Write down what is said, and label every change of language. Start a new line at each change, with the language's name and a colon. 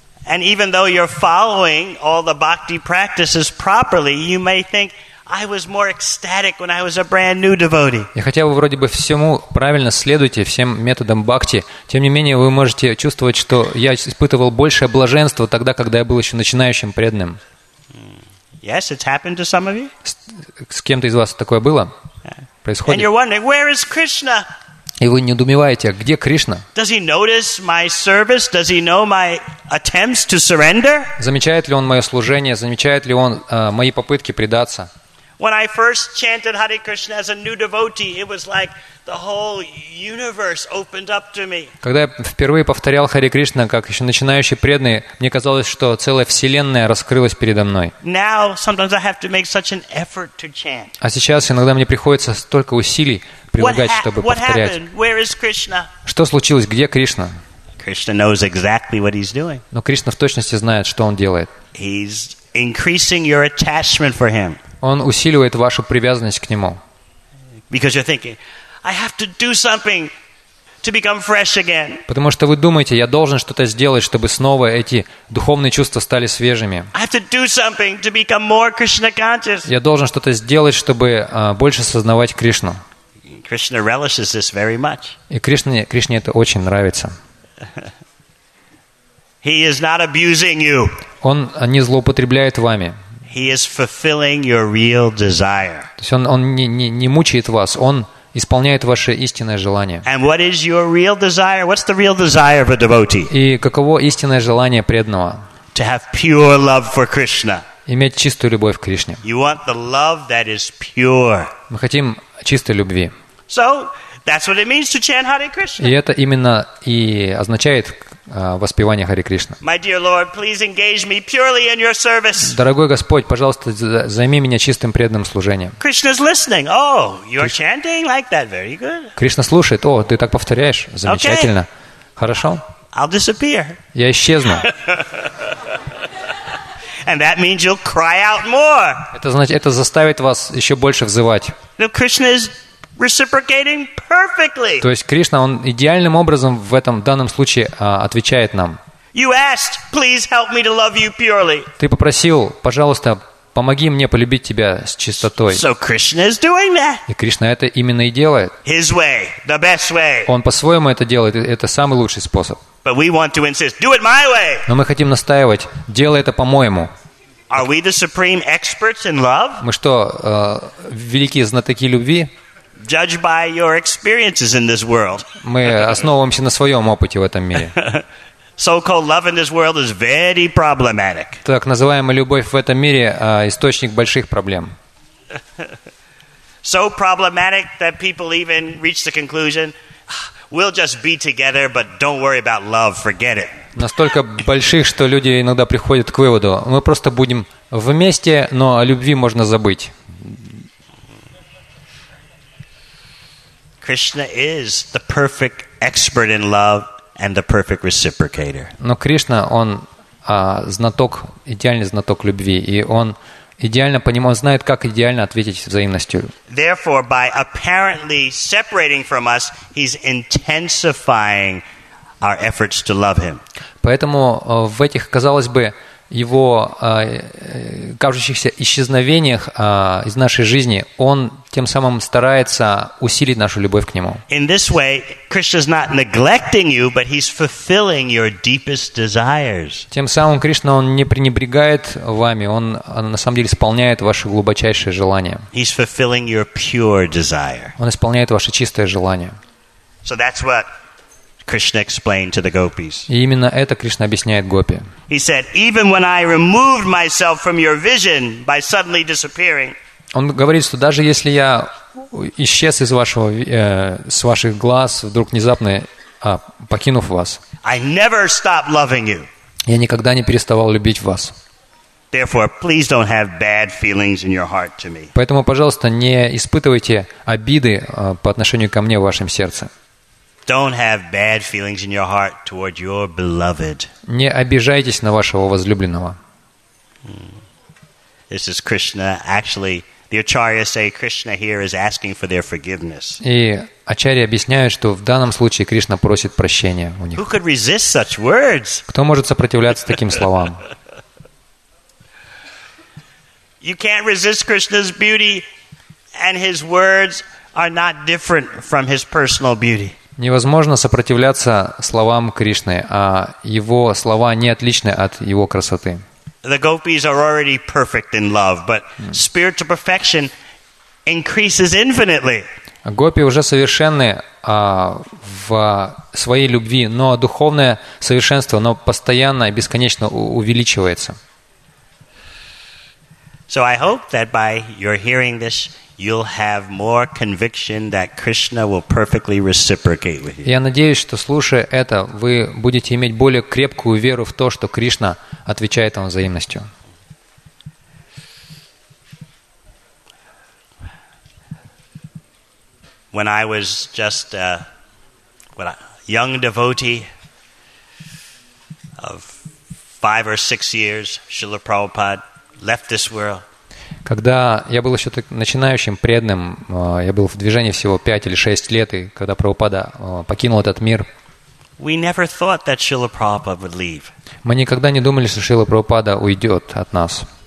English: And even though you're following all the bhakti practices properly, you may think I was more ecstatic when I was a brand new devotee.
Russian: И хотя вы вроде бы всему правильно следуете, всем методам бхакти, тем не менее вы можете чувствовать, что я испытывал большее блаженство тогда, когда я был еще начинающим преданным.
English: Yes, it's happened to some of you.
Russian: С кем-то из вас такое было? Происходит?
English: And you're wondering, where is Krishna?
Russian: И вы недоумеваете, где Кришна?
English: Does he notice my service? Does he know my attempts to surrender?
Russian: Замечает ли он мое служение? Замечает ли он мои попытки предаться?
English: When I first chanted Hare Krishna as a new devotee, it was like the whole universe opened up to me.
Russian: Когда я впервые повторял Харе Кришна как еще начинающий преданный, мне казалось, что целая вселенная раскрылась передо мной.
English: Now sometimes I have to make such an effort to chant.
Russian: А сейчас иногда мне приходится столько усилий прилагать, чтобы повторять.
English: Where is Krishna?
Russian: Что случилось? Где Кришна?
English: Krishna knows exactly what he's doing.
Russian: Но Кришна в точности знает, что он делает.
English: He's increasing your attachment for him.
Russian: Он усиливает вашу привязанность к нему.
English: Because you're thinking, I have to do something to become fresh again.
Russian: Потому что вы думаете, я должен что-то сделать, чтобы снова эти духовные чувства стали свежими.
English: I have to do something to become more Krishna conscious.
Russian: Я должен что-то сделать, чтобы больше сознавать Кришну.
English: Krishna relishes this very much.
Russian: И Кришне это очень нравится.
English: He is not abusing you.
Russian: Он не злоупотребляет вами.
English: He is fulfilling your real desire.
Russian: То есть он не мучает вас, он исполняет ваше истинное желание.
English: And what is your real desire? What's the real desire of a devotee?
Russian: И каково истинное желание преданного?
English: To have pure love for Krishna.
Russian: Иметь чистую любовь к Кришне.
English: You want the love that is pure.
Russian: Мы хотим чистой любви.
English: So that's what it means to chant Hare Krishna.
Russian: И это именно и означает воспевание Харе Кришна.
English: My dear Lord, please engage me purely in your service.
Russian: Дорогой Господь, пожалуйста, займи меня чистым преданным служением.
English: Krishna's listening. Oh, you're chanting like that. Very good.
Russian: Кришна слушает. О, ты так повторяешь. Замечательно.
English: Okay.
Russian: Хорошо.
English: I'll disappear.
Russian: Я исчезну.
English: And that means you'll cry out more.
Russian: Это значит, это заставит вас еще больше взывать.
English: Now Krishna is reciprocating perfectly.
Russian: То есть Кришна, он идеальным образом в этом данном случае отвечает нам.
English: You asked, please help me to love you purely.
Russian: Ты попросил, пожалуйста, помоги мне полюбить тебя с чистотой.
English: So Krishna is doing that.
Russian: И Кришна это именно и делает.
English: His way, the best way.
Russian: Он по-своему это делает, это самый лучший способ.
English: But we want to insist, do it my way.
Russian: Но мы хотим настаивать, делай это по-моему.
English: Are we the supreme experts in love?
Russian: Мы что, великие знатоки любви?
English: Judge by your experiences in this world.
Russian: Мы основываемся на своем опыте в этом мире.
English: So-called love in this world is very problematic.
Russian: Так называемая любовь в этом мире источник больших проблем.
English: So problematic that people even reach the conclusion, we'll just be together, but don't worry about love, forget it.
Russian: Настолько больших, что люди иногда приходят к выводу, мы просто будем вместе, но о любви можно забыть.
English: Krishna is the perfect expert in love and the perfect reciprocator.
Russian: Но Кришна, он знаток, идеальный знаток любви, и он идеально понимает, он знает, как идеально ответить взаимностью.
English: Therefore, by apparently separating from us, he's intensifying our efforts to love him.
Russian: Поэтому в этих, казалось бы, его кажущихся исчезновениях из нашей жизни, он тем самым старается усилить нашу любовь к нему.
English: In this way, Krishna's not neglecting you, but he's fulfilling your deepest desires.
Russian: Тем самым Кришна, он не пренебрегает вами, он на самом деле исполняет ваши глубочайшие желания.
English: He's fulfilling your pure desire.
Russian: Он исполняет ваше чистое желание.
English: So that's what Krishna explained to the gopis.
Russian: И именно это Кришна объясняет гопи.
English: He said, even when I removed myself from your vision by suddenly disappearing.
Russian: Он говорит, что даже если я исчез из вашего с ваших глаз вдруг внезапно покинув вас.
English: I never stopped loving you.
Russian: Я никогда не переставал любить вас.
English: Therefore, please don't have bad feelings in your heart to me.
Russian: Поэтому, пожалуйста, не испытывайте обиды по отношению ко мне в вашем сердце.
English: Don't have bad feelings in your heart toward your beloved.
Russian: Не обижайтесь на вашего возлюбленного.
English: This is Krishna. Actually, the acharyas say Krishna here is asking for their forgiveness.
Russian: И ачарьи объясняют, что в данном случае Кришна просит прощения у них.
English: Who could resist such words?
Russian: Кто может сопротивляться таким словам?
English: You can't resist Krishna's beauty, and his words are not different from his personal beauty.
Russian: Невозможно сопротивляться словам Кришны, а его слова не отличны от его красоты.
English: The gopis are already perfect in love, but spiritual perfection increases infinitely.
Russian: Гопи уже совершенны в своей любви, но духовное совершенство, оно постоянно и бесконечно увеличивается.
English: So I hope that by your hearing this, you'll have more conviction that Krishna will perfectly reciprocate with you.
Russian: Я надеюсь, что слушая это, вы будете иметь более крепкую веру в то, что Кришна отвечает вам взаимностью.
English: When I was just a young devotee of 5 or 6 years, Srila Prabhupada left this world.
Russian: Когда я был еще так начинающим, преданным, я был в движении всего 5 или 6 лет, и когда Прабхупада покинул этот мир,
English: we never thought that Srila Prabhupada would leave.
Russian: Мы никогда не думали, что Шрила Прабхупада уйдет от нас.